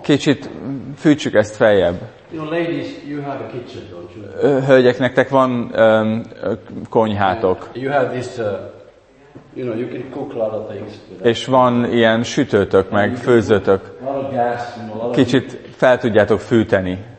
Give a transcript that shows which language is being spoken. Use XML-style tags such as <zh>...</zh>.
<hu>Kicsit fűtsük ezt feljebb.</hu> <en>You know, ladies, you have a kitchen, don't you?</en> <hu>Hölgyek, nektek van konyhátok.</hu> <en>You have this, you know, you can cook a lot of things.</en> <hu>És van ilyen sütőtök, meg főzőtök. Kicsit fel tudjátok fűteni.</hu>